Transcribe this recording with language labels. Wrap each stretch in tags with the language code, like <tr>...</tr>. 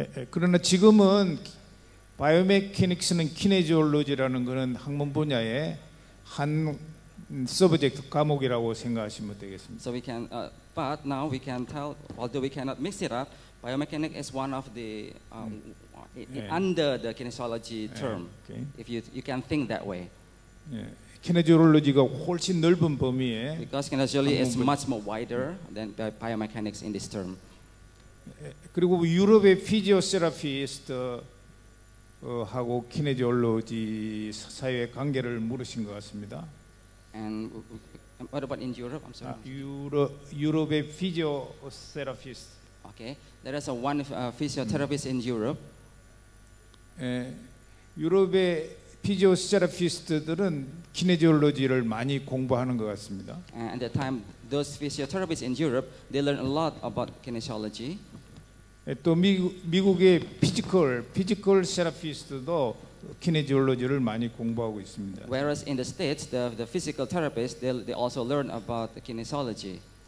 <ko>그러나 지금은 바이오메카닉스는 키네지올로지라는 그런 학문 분야의 한 서브젝트 과목이라고 생각하시면 되겠습니다.</ko> <en>So we can, but now we can tell, although we cannot mix it up, biomechanics is one of the under the kinesiology term. Okay. If you can think that way.</en> <ko>키네지올로지가 훨씬 넓은 범위에.</ko> <en>Because kinesiology is much more wider than biomechanics in this term.</en> <ko>그리고 유럽의 피지오세라피스트 하고 키네지올로지 사이의 관계를 물으신 것 같습니다.</ko> <en>And what about in Europe? I'm sorry.</en> <ko>유럽의 피지오세라피스트.</ko> <en>Okay, there is one physiotherapist in Europe.</en> <ko>유럽의 피지오세라피스트들은 키네지올로지를 많이 공부하는 것 같습니다.</ko> <en>And at that time, those physiotherapists in Europe, they learn a lot about kinesiology.</en> <ko>또 미국의 피지컬 세라피스트도 키네지올로지를 많이 공부하고 있습니다.</ko> <en>Whereas in the States, the physical therapists they also learn about the kinesiology.</en>